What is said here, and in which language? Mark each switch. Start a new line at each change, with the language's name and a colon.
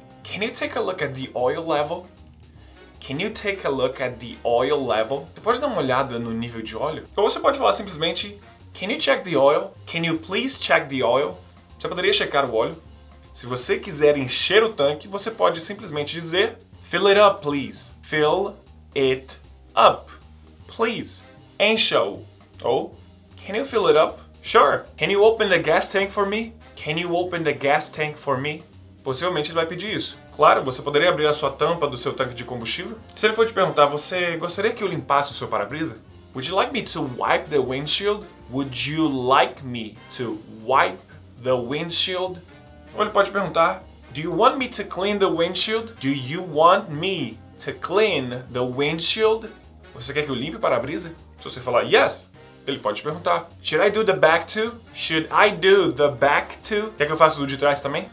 English: Can you take a look at the oil level? Can you take a look at the oil level?
Portuguese: Você pode dar uma olhada no nível de óleo? Ou você pode falar simplesmente,
English: can you check the oil? Can you please check the oil?
Portuguese: Você poderia checar o óleo? Se você quiser encher o tanque, você pode simplesmente dizer
English: fill it up, please. Fill it up, please.
Portuguese: Encha-o. Ou,
English: can you fill it up? Sure. Can you open the gas tank for me? Can you open the gas tank for me?
Portuguese: Possivelmente ele vai pedir isso. Claro, você poderia abrir a sua tampa do seu tanque de combustível. Se ele for te perguntar, você gostaria que eu limpasse o seu para-brisa?
English: Would you like me to wipe the windshield? Would you like me to wipe the windshield?
Portuguese: Ou ele pode perguntar,
English: do you want me to clean the windshield? Do you want me to clean the windshield?
Portuguese: Você quer que eu limpe o para-brisa? Se você falar yes, ele pode te perguntar,
English: should I do the back too? Should I do the back too?
Portuguese: Quer que eu faça o de trás também?